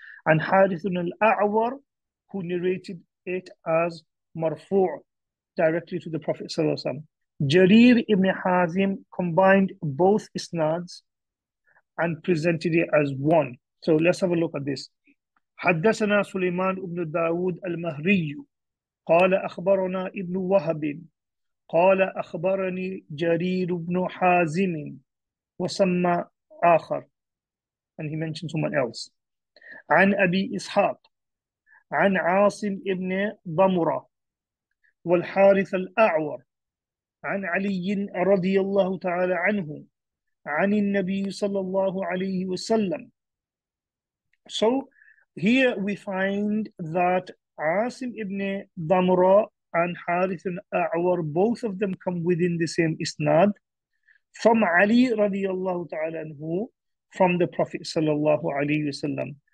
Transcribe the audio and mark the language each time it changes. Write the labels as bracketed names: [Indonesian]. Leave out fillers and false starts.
[English] And Harith ibn al-A'war, who narrated it as marfu' directly to the Prophet ﷺ. Jarir ibn Hazim combined both isnads and presented it as one. So let's have a look at this. [Arabic] حدثنا سليمان ابن داود المهري قال أخبرنا ابن وهب قال أخبرني جرير ابن حازم وسمى آخر. [English] And he mentioned someone else. [Arabic] عن أبي إسحاق عن عاصم ابن ضمرة والحارث الأعور عن علي رضي الله تعالى عنه عن النبي صلى الله عليه وسلم. [English] So here we find that Asim ibn Damra and Harith al-A'war, both of them come within the same isnad. from Ali radiallahu ta'ala anhu, from the Prophet sallallahu alayhi wa sallam.